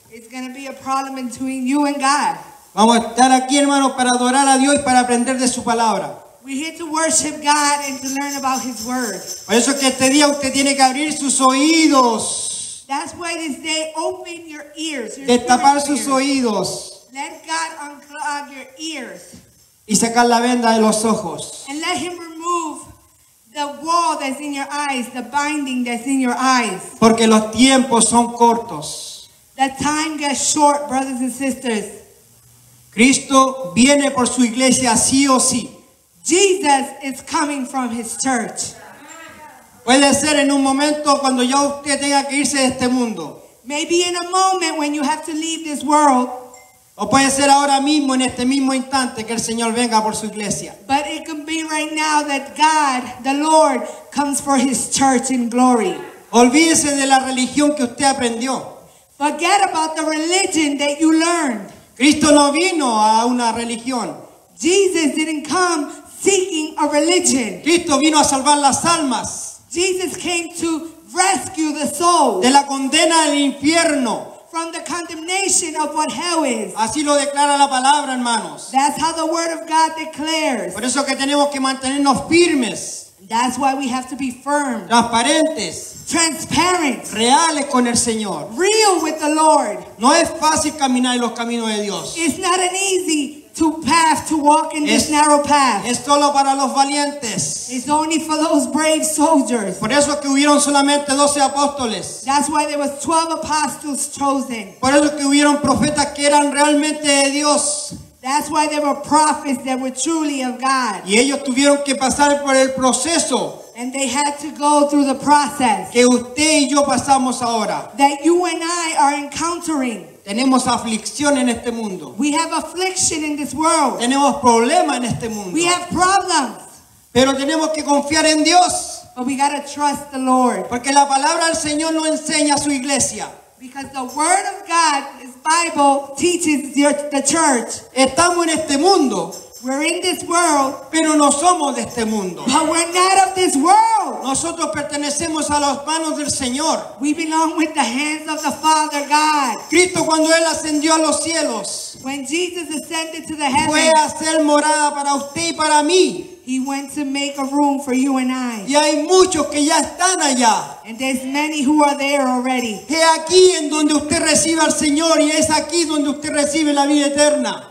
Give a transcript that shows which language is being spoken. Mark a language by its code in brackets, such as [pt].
[en] It's going to be a problem between you and God. [es] Vamos a estar aquí, hermanos, para adorar a Dios y para aprender de su palabra. [en] We're here to worship God and to learn about His word. [es] Por eso que este día usted tiene que abrir sus oídos. [en] That's why this day open your ears. [es] Destapar sus oídos. [en] Let God unclog your ears. [es] Y sacar la venda de los ojos. [en] And let Him remove the wall that's in your eyes, the binding that's in your eyes. [es] Porque los tiempos son cortos. [en] The time gets short, brothers and sisters. [es] Cristo viene por su iglesia sí o sí. [en] Jesus is coming from His church. [es] Puede ser en un momento cuando ya usted tenga que irse de este mundo. [en] Maybe in a moment when you have to leave this world. [es] O puede ser ahora mismo, en este mismo instante, que el Señor venga por su iglesia. [en] But it can be right now that God, the Lord, comes for His church in glory. [es] Olvídese de la religión que usted aprendió. [en] Forget about the religion that you learned. [es] Cristo no vino a una religión. [en] Jesus didn't come seeking a religion. [es] Cristo vino a salvar las almas. [en] Jesus came to rescue the soul. [es] De la condena del infierno. [en] From the condemnation of what hell is. [es] Así lo declara la palabra, hermanos. [en] That's how the word of God declares. [es] Por eso que tenemos que mantenernos firmes. [en] That's why we have to be firm. [es] Transparentes. [en] Transparent. [es] Reales con el Señor. [en] Real with the Lord. [es] No es fácil caminar en los caminos de Dios. [en] It's not an easy path to walk in this narrow path. [es] Es solo para los valientes. [en] It's only for those brave soldiers. [es] Por eso es que hubieron solamente 12 apóstoles. [en] That's why there was 12 apostles chosen. [es] Por eso es que hubieron profetas que eran realmente de Dios. [en] That's why there were prophets that were truly of God. [es] Y ellos tuvieron que pasar por el proceso. [en] And they had to go through the process. [es] Que usted y yo pasamos ahora. [en] That you and I are encountering. [es] Tenemos aflicción en este mundo. [en] We have affliction in this world. [es] Tenemos problemas en este mundo. [en] We have problems. [es] Pero tenemos que confiar en Dios. [en] But we gotta trust the Lord. [es] Porque la palabra del Señor nos enseña a su iglesia. [en] Because the word of God, this Bible, teaches the church. [es] Estamos en este mundo. [en] We're in this world. [es] Pero no somos de este mundo. [en] But we're not of this world. [es] Nosotros pertenecemos a las manos del Señor. [en] We belong with the hands of the Father God. [es] Cristo, cuando Él ascendió a los cielos, [en] when Jesus ascended to the heavens, [es] fue a hacer morada para usted y para mí. [en] He went to make a room for you and I. [es] Y hay muchos que ya están allá. [en] And there's many who are there already. [es] He aquí en donde usted recibe al Señor, y es aquí donde usted recibe la vida eterna.